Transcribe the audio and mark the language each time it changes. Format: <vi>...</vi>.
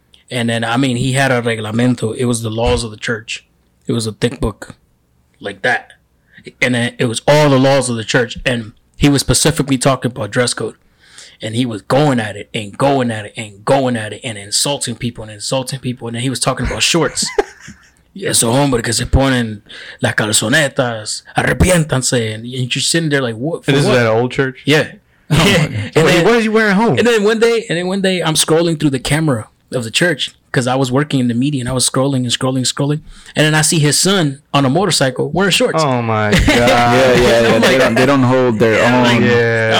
<en>And then, I mean, he had a reglamento. It was the laws of the church. It was a thick book like that. And then it was all the laws of the church. And he was specifically talking about dress code. And he was going at it and going at it and going at it and insulting people and insulting people. And then he was talking about shorts. Yes,</en> <es>hombre, que se ponen las calzonetas, arrepiéntanse.</es> <en>And you're sitting there like, what? For this is that old church? Yeah. Wait, what is he wearing home? And then one day, I'm scrolling through the camera of the church because I was working in the media and I was scrolling and scrolling and scrolling. And then I see his son on a motorcycle wearing shorts. Oh, my God. Yeah. Like, they don't hold their own. Like,</en>